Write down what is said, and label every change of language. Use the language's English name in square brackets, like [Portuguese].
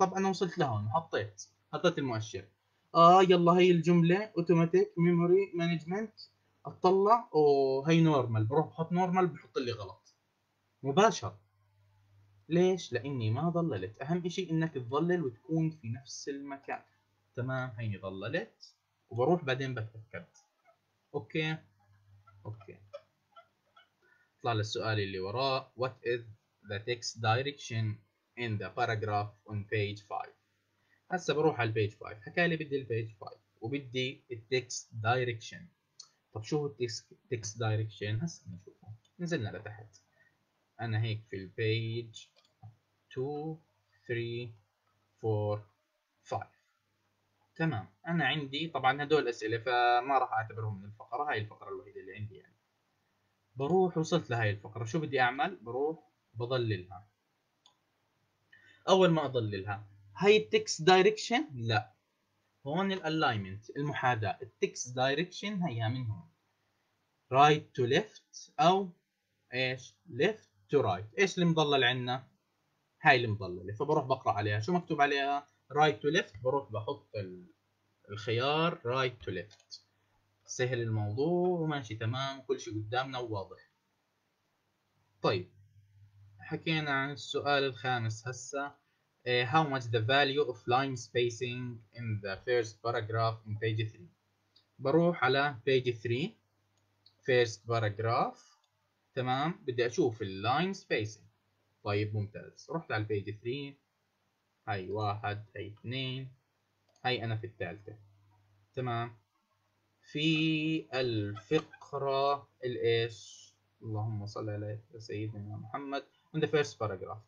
[Arabic] طب أنا وصلت لها وحطيت، حطيت المؤشر، يلا هاي الجملة Automatic Memory Management، أطلع وهي نورمال، بروح بحط نورمال، بحط اللي غلط مباشر. ليش؟ لأني ما ضللت. أهم إشي إنك تضلل وتكون في نفس المكان، تمام؟ هيني ضللت وبروح بعدين بتأكد. أوكي أوكي. اطلع للسؤال اللي وراه. [English] What is the text direction in the paragraph on page 5؟ [Arabic] هسا بروح على page 5، حكى لي بدي page 5 وبدي text direction. طب شو هو text direction؟ هسا نشوفه. نزلنا لتحت، انا هيك في page 2 3 4 5. تمام، انا عندي طبعا هدول اسئلة فما راح اعتبرهم من الفقرة، هاي الفقرة الوحيدة اللي عندي يعني. بروح وصلت لهاي الفقرة، شو بدي اعمل؟ بروح بضللها. اول ما اضللها هاي التكست دايركشن، لا هون الالاينمنت المحاذاة، التكست دايركشن هيها من هون رايت تو ليفت او ايش ليفت تو رايت، ايش اللي مضلل عندنا؟ هاي المضللة، فبروح بقرأ عليها. شو مكتوب عليها؟ right to left. بروح بحط الخيار right to left، سهل الموضوع وماشي تمام، كل شيء قدامنا وواضح. طيب حكينا عن السؤال الخامس هسا، [English] how much the value of line spacing in the first paragraph in page 3. [Arabic] بروح على page 3 first paragraph، تمام بدي أشوف line spacing. طيب ممتاز، رحت على البيج 3، هاي 1 هاي 2 هاي انا في الثالثة، تمام في الفقرة الايش، اللهم صل على سيدنا محمد، [English] in the first paragraph.